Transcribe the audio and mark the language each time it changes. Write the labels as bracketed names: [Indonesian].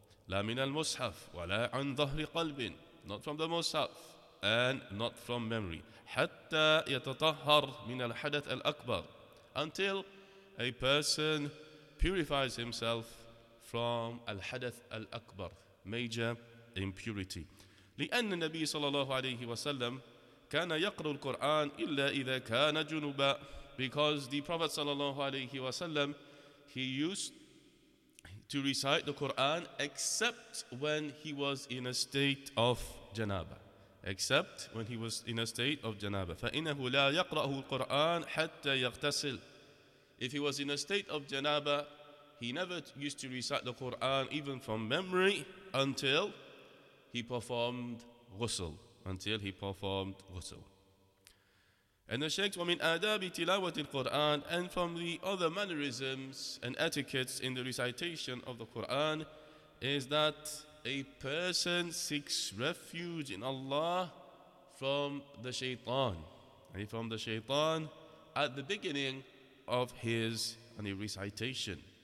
[Arabic] لَا مِنَ الْمُصْحَفِ وَلَا عَنْ ظَهْرِ قَلْبٍ. [English] Not from the Mus'haf and not from memory. [Arabic] حَتَّى يَتَطَهَّرْ مِنَ الْحَدَثِ الْأَكْبَرِ. [English] Until a person purifies himself from [Arabic] الْحَدَثِ الْأَكْبَرِ, [English] major impurity. [Arabic] لأن النبي صلى الله عليه وسلم كان يقرأ القرآن إلا إذا كان جنوبا. [English] Because the Prophet صلى الله عليه وسلم, he used to recite the Quran except when he was in a state of janaba. Except when he was in a state of janaba. [Arabic] فَإِنَّهُ لَا يَقْرَأُهُ الْقُرْآنَ حَتَّى يَغْتَسِلْ. [English] If he was in a state of janaba, he never used to recite the Quran even from memory until he performed ghusl. Until he performed ghusl. And the Shaykh, [Arabic] وَمِنْ آدَابِ تِلَاوَةِ الْقُرْآنِ. [English] And from the other mannerisms and etiquettes in the recitation of the Quran is that a person seeks refuge in Allah from the shaytan. And from the shaytan at the beginning of his recitation.